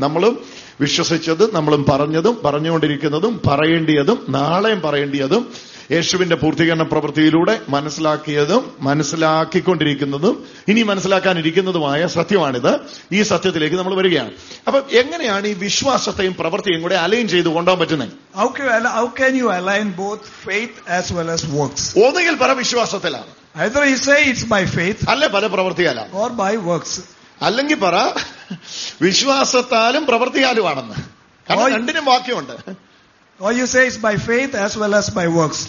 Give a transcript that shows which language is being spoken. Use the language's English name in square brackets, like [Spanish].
[Malayalam] നമ്മളും വിശ്വസിച്ചത്, നമ്മളും പറഞ്ഞതും പറഞ്ഞുകൊണ്ടിരിക്കുന്നതും പറയേണ്ടിയതും നാളെയും പറയേണ്ടിയതും യേശുവിന്റെ പൂർത്തീകരണ പ്രവൃത്തിയിലൂടെ മനസ്സിലാക്കിയതും മനസ്സിലാക്കിക്കൊണ്ടിരിക്കുന്നതും ഇനി മനസ്സിലാക്കാനിരിക്കുന്നതുമായ സത്യമാണിത്. ഈ സത്യത്തിലേക്ക് നമ്മൾ വരികയാണ്. അപ്പൊ എങ്ങനെയാണ് ഈ വിശ്വാസത്തെയും പ്രവൃത്തിയും കൂടെ അലൈൻ ചെയ്ത് കൊണ്ടുപോകാൻ പറ്റുന്നത്? [English] How can you align both faith as well as works? [Malayalam] ഒന്നുകിൽ പല വിശ്വാസത്തിലാണ്, [English] either you say it's by faith, [Malayalam] അല്ലെ പല പ്രവൃത്തിയാലാണ്, [English] or by works, [Malayalam] അല്ലെങ്കിൽ പറ വിശ്വാസത്താലും പ്രവൃത്തിയാലും ആണെന്ന്, കാരണം രണ്ടിനും വാക്യമുണ്ട്. [English] Or you say it's by faith as well as by works.